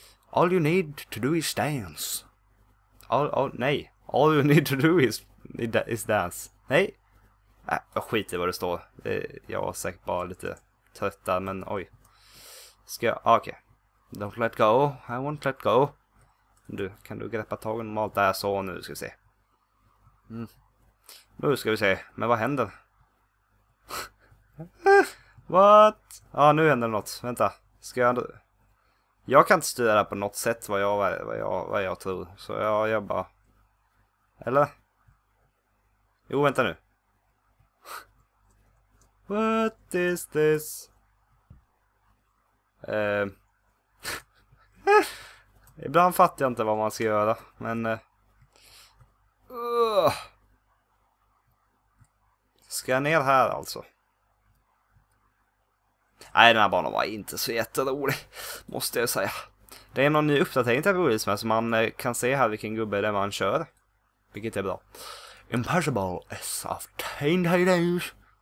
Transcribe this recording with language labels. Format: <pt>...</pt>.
<en>All you need to do is dance. All you need to do is dance.</en> <sv>Nej. Jag skiter vad det står. Jag var säkert bara lite trött där, men oj. Ska jag... Okej.</sv> <en>Okay. Don't let go. I won't let go.</en> <sv>Du, kan du greppa tagen om allt där så nu ska vi se. Mm. Nu ska vi se. Men vad händer?</sv> <en>What?</en> <sv>Ja, nu händer något. Vänta. Ska jag... Jag kan inte styra det på något sätt vad jag tror. Så jag bara... Eller? Jo, vänta nu.</sv> <en>What is this?</en> <sv>Ibland fattar jag inte vad man ska göra. Men... Ska jag ner här alltså? Nej, den här banan var inte så jätterolig, måste jag säga. Det är någon ny uppdatering till Apple Wheels, så man kan se här vilken gubbe det man kör. Vilket är bra. Impossible S of Tain Tainers.</sv>